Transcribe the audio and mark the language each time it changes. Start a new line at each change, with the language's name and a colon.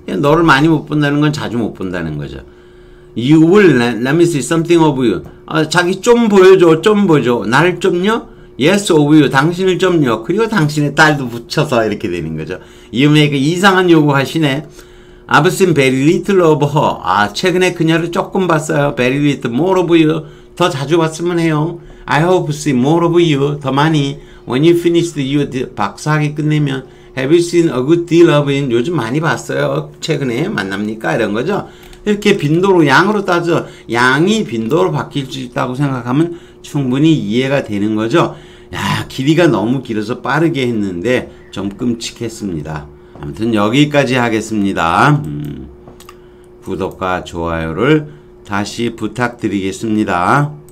Korean: 너를 많이 못 본다는 건 자주 못 본다는 거죠.
English: You will let me see something of you.
Korean: 자기 좀 보여줘. 좀 보여줘. 날 좀요?
English: Yes, of you.
Korean: 당신을 좀요. 그리고 당신의 딸도 붙여서 이렇게 되는 거죠. You make 이상한 요구하시네.
English: I've seen very little of her.
Korean: 아, 최근에 그녀를 조금 봤어요. Very little. More of you. 더 자주 봤으면 해요.
English: I hope see more of you.
Korean: 더 많이.
English: When you finish your
Korean: 박사학위 끝내면.
English: Have you seen a good deal of him?
Korean: 요즘 많이 봤어요. 최근에 만납니까? 이런 거죠. 이렇게 빈도로, 양으로 따져. 양이 빈도로 바뀔 수 있다고 생각하면 충분히 이해가 되는 거죠. 야, 길이가 너무 길어서 빠르게 했는데 좀 끔찍했습니다. 아무튼 여기까지 하겠습니다. 구독과 좋아요를 다시 부탁드리겠습니다.